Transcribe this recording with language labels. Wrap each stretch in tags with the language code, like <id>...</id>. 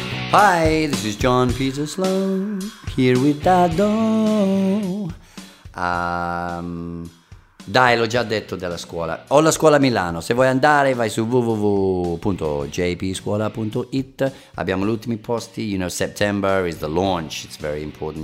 <en>Hi, this is John Peter Sloan, here with Dado.</en> <it>Dai, l'ho già detto della scuola. Ho la scuola a Milano, se vuoi andare vai su www.jpscuola.it. Abbiamo gli ultimi posti,</it> <en>you know, September is the launch, it's very important.</en>